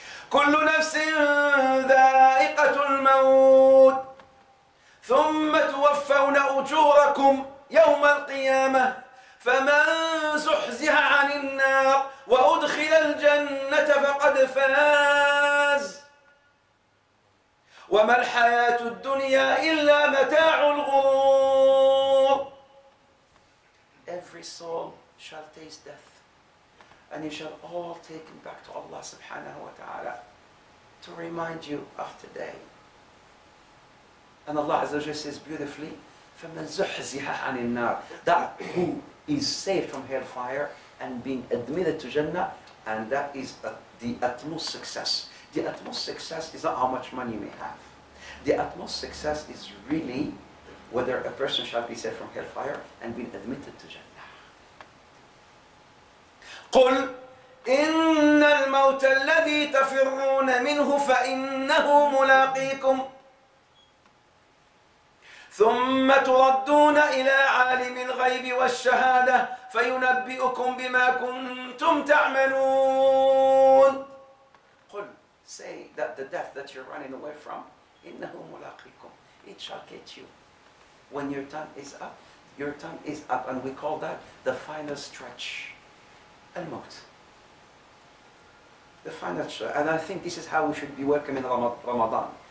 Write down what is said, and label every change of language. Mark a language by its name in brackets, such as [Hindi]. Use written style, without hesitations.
[Arabic] كل نفس ذائقة الموت ثم توفون أجوركم يوم القيامة فمن زحزح عن النار وأدخل الجنة فقد فاز وما الحياة الدنيا إلا متاع الغرور. [English] Every soul shall taste death and you shall all take it back to Allah subhanahu wa ta'ala to remind you of today. And Allah Azza wa Jalla says beautifully, [Arabic] فَمَنْ زُحْزِهَا عَنِ النَّارِ, [English] that who is saved from hellfire and being admitted to Jannah, and that is the utmost success. The utmost success is not how much money you may have. The utmost success is really whether a person shall be saved from hellfire and being admitted to Jannah. [Arabic] قُلْ إِنَّ الْمَوْتَ الَّذِي تَفِرُّونَ مِنْهُ فَإِنَّهُ مُلَاقِيكُمْ ثم تردون إلى عالم الغيب والشهادة فينبئكم بما كنتم تعملون. [English] قل, say that the death that you're running away from, [Arabic] إنه ملاقيكم, [English] it shall get you. When your time is up, your time is up, and we call that the final stretch, الموت. The final stretch, and I think this is how we should be welcoming Ramadan.